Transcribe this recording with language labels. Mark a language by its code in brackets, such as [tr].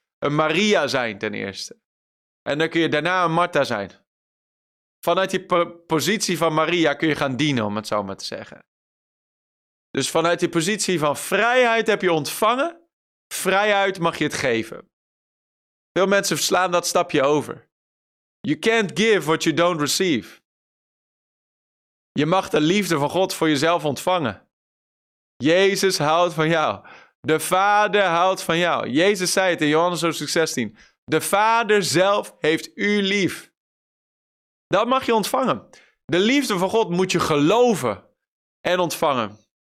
[nl] Een Maria zijn ten eerste. En dan kun je daarna een Martha zijn. Vanuit die positie van Maria kun je gaan dienen, om het zo maar te zeggen. Dus vanuit die positie van vrijheid heb je ontvangen. Vrijheid mag je het geven. Veel mensen slaan dat stapje over. [en] You can't give what you don't receive. [nl] Je mag de liefde van God voor jezelf ontvangen. Jezus houdt van jou. De Vader houdt van jou. Jezus zei het in Johannes hoofdstuk 16. De Vader zelf heeft u lief. Dat mag je ontvangen. De liefde van God moet je geloven en ontvangen.